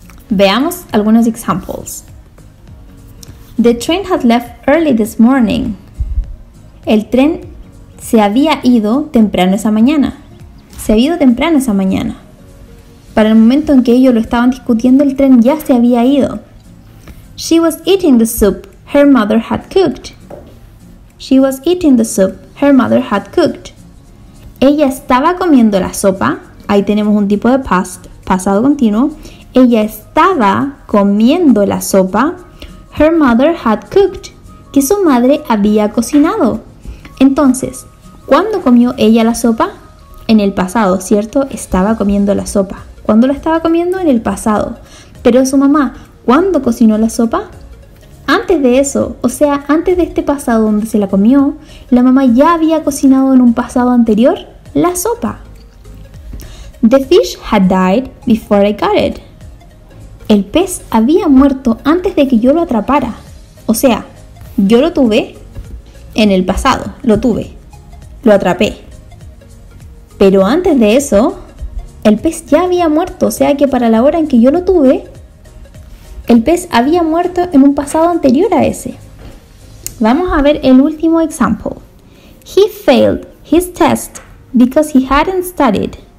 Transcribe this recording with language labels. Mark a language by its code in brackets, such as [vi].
[es] Veamos algunos [en] examples. The train had left early this morning. [es] El tren se había ido temprano esa mañana. Se había ido temprano esa mañana. Para el momento en que ellos lo estaban discutiendo, el tren ya se había ido. [en] She was eating the soup her mother had cooked. She was eating the soup her mother had cooked. [es] Ella estaba comiendo la sopa. Ahí tenemos un tipo de past, pasado continuo. Ella estaba comiendo la sopa [en] her mother had cooked, [es] que su madre había cocinado. Entonces, ¿cuándo comió ella la sopa? En el pasado, ¿cierto? Estaba comiendo la sopa. ¿Cuándo la estaba comiendo? En el pasado. Pero su mamá, ¿cuándo cocinó la sopa? Antes de eso, o sea, antes de este pasado donde se la comió, la mamá ya había cocinado en un pasado anterior la sopa. [en] The fish had died before I caught it. [es] El pez había muerto antes de que yo lo atrapara. O sea, yo lo tuve en el pasado, lo tuve, lo atrapé. Pero antes de eso, el pez ya había muerto, o sea que para la hora en que yo lo tuve, el pez había muerto en un pasado anterior a ese. Vamos a ver el último example. [en] He failed his test because he hadn't studied.